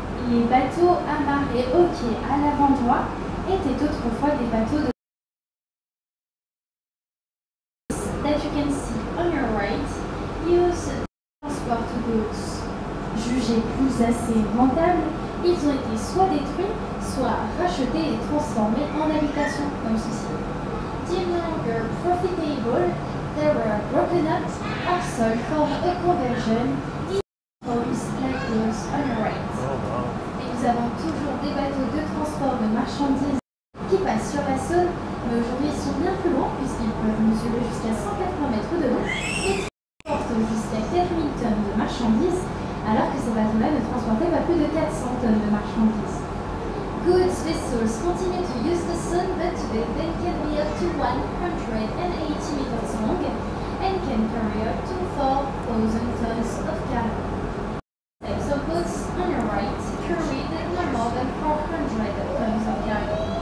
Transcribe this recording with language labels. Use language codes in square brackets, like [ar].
[fr] Les bateaux amarrés au quai à l'avant-droit étaient autrefois des bateaux de... [en] That you can see on your right, use transport boats. [fr] Jugés plus assez rentables, ils ont été soit détruits, soit rachetés et transformés en habitations comme ceci. [en] Deemed no longer profitable, they were broken up or sold for a conversion in homes like those on the right. [fr] Et nous avons toujours des bateaux de transport de marchandises qui passent sur la Saône, mais aujourd'hui ils sont bien plus longs puisqu'ils peuvent mesurer jusqu'à 180 mètres de long et transportent jusqu'à 4000 tonnes de marchandises, alors que ces bateaux-là ne transportaient pas plus de 400 tonnes de marchandises. [en] Goods vessels continue to use the Saône, but today they can be up to 180 meters long and can carry up to 4,000 tons of cargo. Types of boats on your right carry no more than 400 tons of cargo.